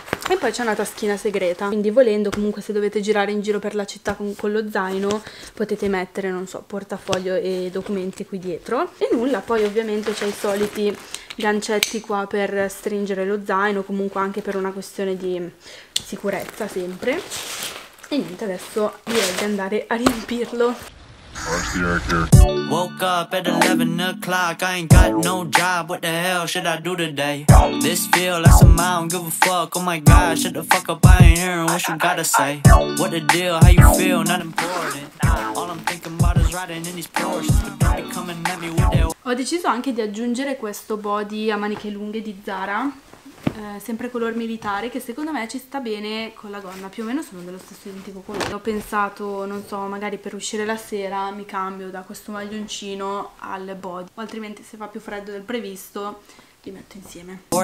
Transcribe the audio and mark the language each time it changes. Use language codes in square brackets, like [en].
[it] E poi c'è una taschina segreta, quindi volendo comunque se dovete girare in giro per la città con lo zaino potete mettere, non so, portafoglio e documenti qui dietro. E nulla, poi ovviamente c'è i soliti gancetti qua per stringere lo zaino, comunque anche per una questione di sicurezza sempre. E niente, adesso direi di andare a riempirlo. [en] Woke up at 11 o'clock, I ain't got no job, what the hell should I do today? This feel like some, I don't give a fuck, oh my god, shut the fuck up, I ain't hearing what you gotta say. What the deal, how you feel, not important. All I'm thinking about is riding in these Porsches, but don't be coming at me with that. [it] Ho deciso anche di aggiungere questo body a maniche lunghe di Zara, sempre color militare, che secondo me ci sta bene con la gonna, più o meno sono dello stesso identico colore. Ho pensato, non so, magari per uscire la sera mi cambio da questo maglioncino al body, o altrimenti se fa più freddo del previsto li metto insieme.